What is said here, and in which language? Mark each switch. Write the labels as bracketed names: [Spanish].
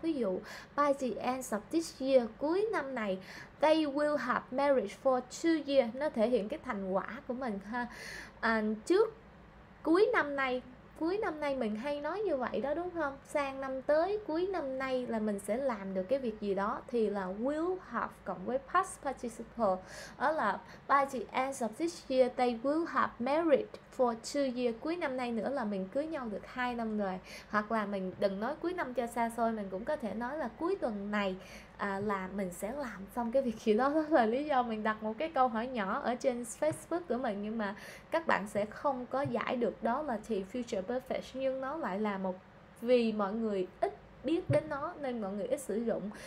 [Vietnamese] Ví dụ [English] by the end of this year, [Vietnamese] cuối năm này [English] they will have marriage for 2 years, [Vietnamese] nó thể hiện cái thành quả của mình ha. Trước cuối năm nay cuối năm nay mình hay nói như vậy đó đúng không? Sang năm tới, cuối năm nay là mình sẽ làm được cái việc gì đó, thì là will have cộng với past participle. Đó là [English] by the end of this year they will have married for 2 years. [Vietnamese] Cuối năm nay nữa là mình cưới nhau được 2 năm rồi. Hoặc là mình đừng nói cuối năm cho xa xôi, mình cũng có thể nói là cuối tuần này là mình sẽ làm xong cái việc gì đó. Đó là lý do mình đặt một cái câu hỏi nhỏ ở trên Facebook của mình, nhưng mà các bạn sẽ không có giải được đó là thì future perfect, nhưng nó lại là một, vì mọi người ít biết đến nó nên mọi người ít sử dụng.